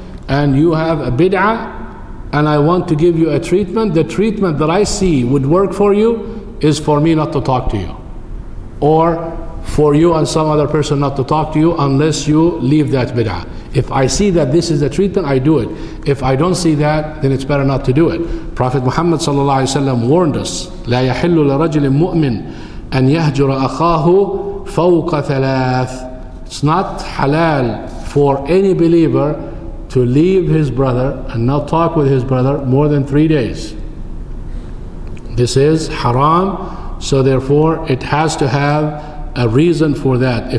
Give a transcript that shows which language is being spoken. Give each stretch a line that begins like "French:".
English: And you have a bid'ah, and I want to give you a treatment. The treatment that I see would work for you is for me not to talk to you. Or for you and some other person not to talk to you unless you leave that bid'ah. If I see that this is the treatment, I do it. If I don't see that, then it's better not to do it. Prophet Muhammad sallallahu alaihi wasallam warned us,
Arabic: لَا يَحِلُّ لَرَجْلٍ مُؤْمِنٍ أَنْ يَهْجُرَ أَخَاهُ فَوْقَ ثَلَاثٍ.
English: It's not halal for any believer to leave his brother and not talk with his brother more than 3 days. This is haram, so therefore it has to have a reason for that.